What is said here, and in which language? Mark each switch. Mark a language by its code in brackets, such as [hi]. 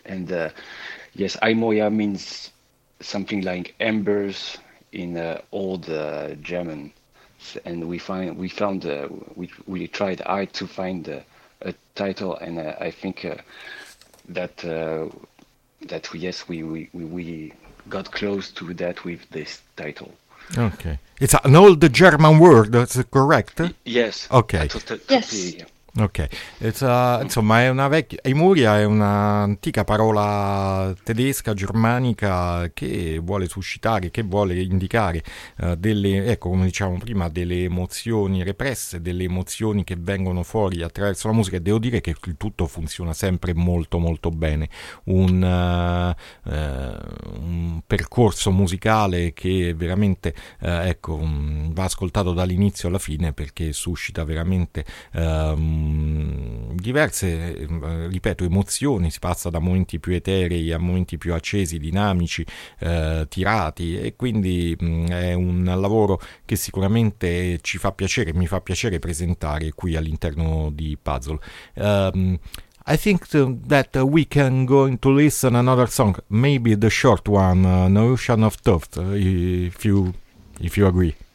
[en] And yes, Aimoya means something like embers in old German, and we tried to find a title, and I think that yes, we got close to that with this title. Okay, it's an old German word, that's correct. Yes, okay, yes. [it] Ok, insomma è una vecchia, Emuria è un'antica parola tedesca, germanica, che vuole suscitare, che vuole indicare delle, ecco come dicevamo prima, delle emozioni represse, delle emozioni che vengono fuori attraverso la musica, e devo dire che il tutto funziona sempre molto molto bene, un percorso musicale che veramente ecco, va ascoltato dall'inizio alla fine, perché suscita veramente diverse, ripeto, emozioni, si passa da momenti più eterei a momenti più accesi, dinamici, tirati, e quindi è un lavoro che sicuramente ci fa piacere, mi fa piacere presentare qui all'interno di Puzzle. [en] I think that we can go into listen another song, maybe the short one, No Ocean of Tufts, if you agree.